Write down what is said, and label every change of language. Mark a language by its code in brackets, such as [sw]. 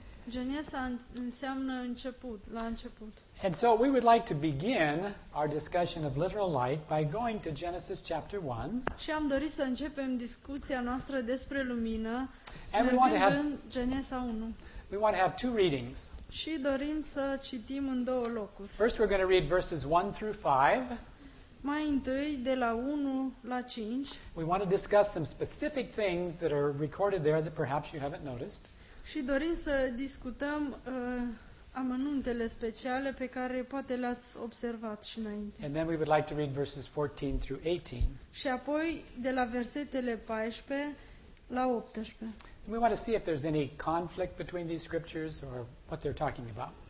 [ro] Genesa înseamnă început, la început. [en] And so we would like to begin our discussion of literal light by going to Genesis chapter 1. [ro] Și am dorit să începem discuția noastră despre lumină în Genesa 1. [en] We want to have two readings. [ro] Și dorim să citim în două locuri. [en] First we're going to read verses 1 through 5. [ro] Mai întâi de la 1 la 5. [en] We want to discuss some specific things that are recorded there that perhaps you haven't noticed. [ro] Și dorim să discutăm amănuntele speciale pe care poate le-ați observat și înainte. [en] And then we would like to read verses 14 through 18. [ro] Și apoi de la versetele 14 la 18. [en] We want to see if there's any conflict between these scriptures or what they're talking about.